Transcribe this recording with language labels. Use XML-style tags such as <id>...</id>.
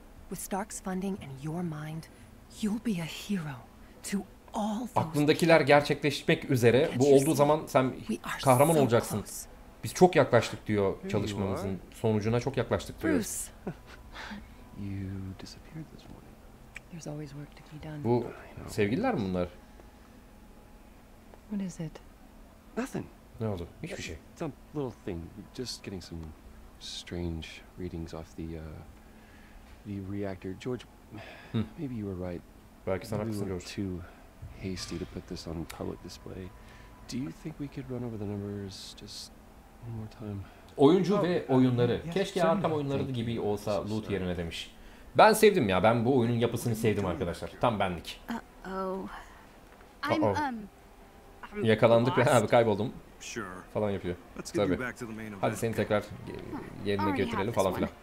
<en>With Stark's funding and your mind, you'll be a hero to all.</en> <tr>Aklındakiler gerçekleşmek üzere. Bu olduğu zaman sen kahraman olacaksın. Biz çok yaklaştık diyor çalışmamızın sonucuna çok yaklaştık diyor.</tr> <en>Bruce. You disappeared this morning. There's always work to be done.</en> <tr>Bu sevgililer mi bunlar?</tr> <en>What is it? Nothing.</en> <tr>Ne oldu? Hiçbir şey.</tr> <en>Some little thing. Just getting some strange readings off the reactor. George, maybe you were right. Belki sen haklısın George. Too hasty to put this on public display. Do you think we could run over the numbers just one more time?</en> <tr>Oyuncu ve oyunları. Keşke Arkham oyunları gibi olsa loot yerine demiş. Ben sevdim ya. Ben bu oyunun yapısını sevdim arkadaşlar. Tam benlik. Uh-oh. Yakalandık ve abi kayboldum. Falan yapıyor. Tabii. Hadi seni tekrar yerine götürelim falan filan.</tr>